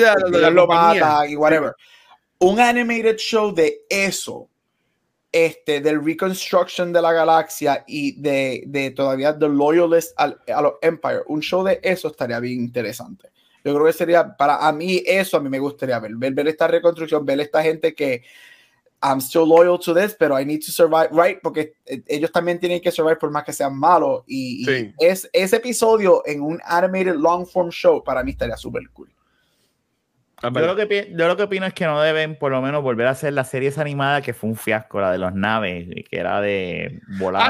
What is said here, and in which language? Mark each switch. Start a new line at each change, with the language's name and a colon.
Spanish: la compañía. Lo mata y whatever. Un
English: animated show
Spanish: de eso, este, del reconstruction de la galaxia y de todavía
English: the loyalist
Spanish: al Empire. Un show de eso estaría bien interesante. Yo creo que sería, para a mí, eso a mí me gustaría ver esta reconstrucción, ver esta gente que...
English: I'm still loyal to this,
Spanish: pero
English: I need to survive, right?
Spanish: Porque ellos también tienen que survive por más que sean malos. Y, sí. Ese episodio en un
English: animated long form show
Spanish: para mí estaría súper cool. Yo lo que opino es que no deben por lo menos volver a hacer la serie esa animada que fue un fiasco, la de los naves, que era de volando.